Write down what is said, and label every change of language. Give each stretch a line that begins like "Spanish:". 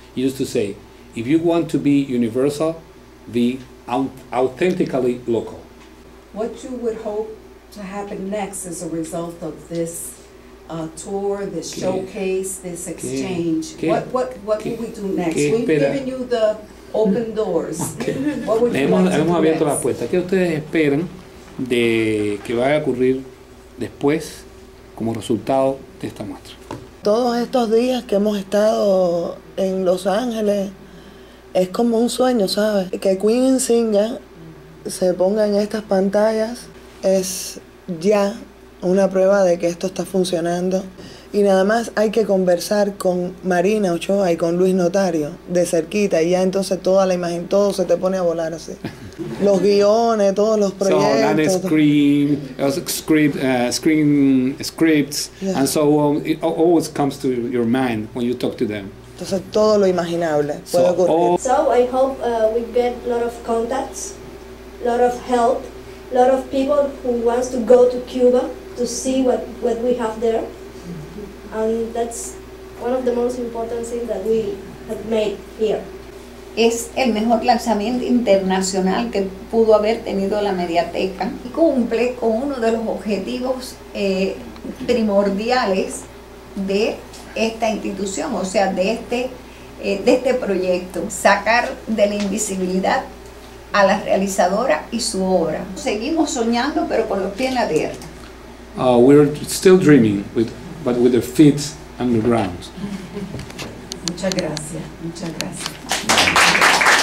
English: He used to say, if you want to be universal, be authentically local. What you would hope to happen next as a result of this tour, this showcase, this exchange, what will we do next? We've given you the open doors. Okay.
Spanish: Hemos abierto la puerta. ¿Qué ustedes esperan de que vaya a ocurrir después como resultado de esta muestra? Todos estos días que hemos estado en Los Ángeles es como un sueño, ¿sabes? Que Queen and Singer se ponga en estas pantallas es ya una prueba de que esto está funcionando. Y nada más hay que conversar con Marina Ochoa y con Luis Notario de cerquita y ya entonces toda la imagen, todo se te pone a volar así. Los guiones, todos los proyectos.
English: So, and screen scripts, yeah. And so on. It always comes to your mind when you talk to them.
Spanish: Entonces todo lo imaginable puede
English: so
Spanish: ocurrir.
English: So I hope we get a lot of contacts, a lot of help, a lot of people who wants to go to Cuba to see what we have there.
Spanish: Es el mejor lanzamiento internacional que pudo haber tenido la Mediateca y cumple con uno de los objetivos primordiales de esta institución, o sea, de este de este proyecto, sacar de la invisibilidad a la realizadora y su obra. Seguimos soñando, pero con los pies en la tierra.
English: We're still dreaming, but with the feet on the ground.
Spanish: Muchas gracias, muchas gracias.